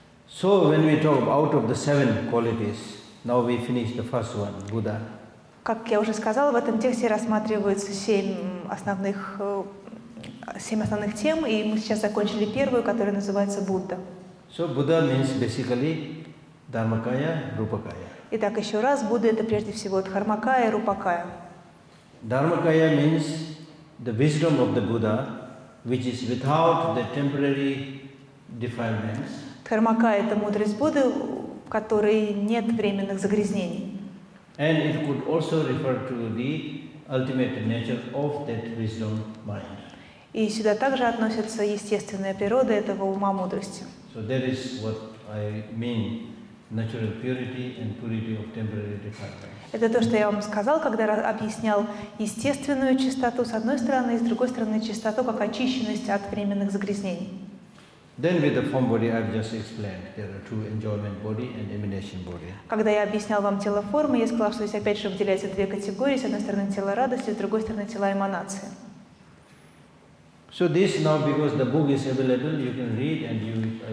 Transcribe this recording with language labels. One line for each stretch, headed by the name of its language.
English: So when we talk out of the seven qualities, now we finish the first one, Buddha.
Russian: Как я уже сказала, в этом тексте рассматриваются семь основных тем, и мы сейчас закончили первую, которая называется Будда.
English: So Buddha means basically Dharmakaya, Rupakaya.
Russian: Итак, еще раз, Будда это прежде всего Дхармакая, Рупакая.
English: Dharmakaya means the wisdom of the Buddha, which is without the temporary defilements.
Russian: Дхармакая – это мудрость Будды, в которой нет временных загрязнений.
English: And it could also refer to the ultimate nature of that wisdom mind.
Russian: И сюда также относится естественная природа этого ума мудрости.
English: So that is what I mean, natural purity and purity of temporary defilements.
Russian: Это то, что я вам сказал, когда объяснял естественную чистоту с одной стороны, и с другой стороны чистоту как очищенность от временных загрязнений.
English: Then with the form body, I've just explained there are two enjoyment body and emanation body.
Russian: Когда я объяснял вам тело формы, я сказал, что здесь опять же выделяются две категории: с одной стороны тело радости, с другой стороны тело эманации.
English: So this now, because the book is available, you can read and you.